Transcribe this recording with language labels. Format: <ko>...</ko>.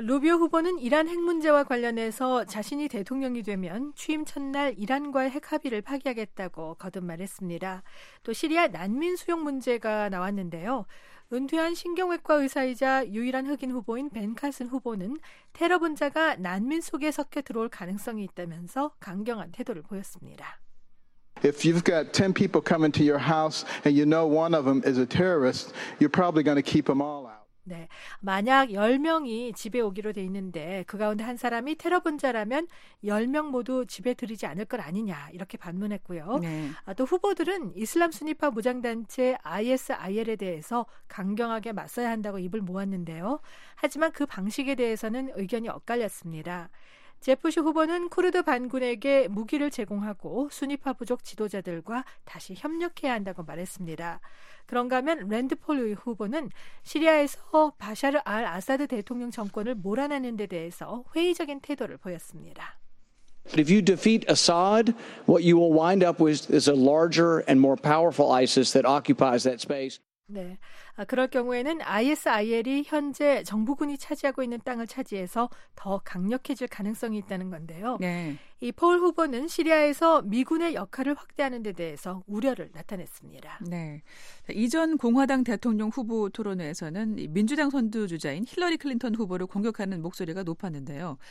<ko>루비오 후보는 이란 핵 문제와 관련해서 자신이 대통령이 되면 취임 첫날 이란과의 핵 합의를 파기하겠다고 거듭 말했습니다. 또 시리아 난민 수용 문제가 나왔는데요. 은퇴한 신경외과 의사이자 유일한 흑인 후보인 벤 카슨 후보는 테러 분자가 난민 속에 섞여 들어올 가능성이 있다면서 강경한 태도를 보였습니다.</ko> <en>If you've got 10 people coming to your house and you know one of them is a terrorist, you're probably going to keep them all out.</en> <ko>네, 만약 10명이 집에 오기로 돼 있는데 그 가운데 한 사람이 테러 분자라면 10명 모두 집에 들이지 않을 것 아니냐 이렇게 반문했고요. 네. 또 후보들은 이슬람 순위파 무장단체 ISIL에 대해서 강경하게 맞서야 한다고 입을 모았는데요. 하지만 그 방식에 대해서는 의견이 엇갈렸습니다. 제프시 후보는 쿠르드 반군에게 무기를 제공하고 순위파 부족 지도자들과 다시 협력해야 한다고 말했습니다. 그런가 하면 랜드폴 후보는 시리아에서 바샤르 알 아사드 대통령 정권을 몰아내는 데 대해서 회의적인 태도를 보였습니다.</ko> <en>If you defeat Assad, what you will wind up with is a larger and more powerful ISIS that occupies that space.</en> <ko>네, 그럴 경우에는 ISIL이 현재 정부군이 차지하고 있는 땅을 차지해서 더 강력해질 가능성이 있다는 건데요. 네. 이 폴 후보는 시리아에서 미군의 역할을 확대하는 데 대해서 우려를 나타냈습니다. 네, 이전 공화당 대통령 후보 토론회에서는 민주당 선두주자인 힐러리 클린턴 후보를 공격하는 목소리가 높았는데요.</ko>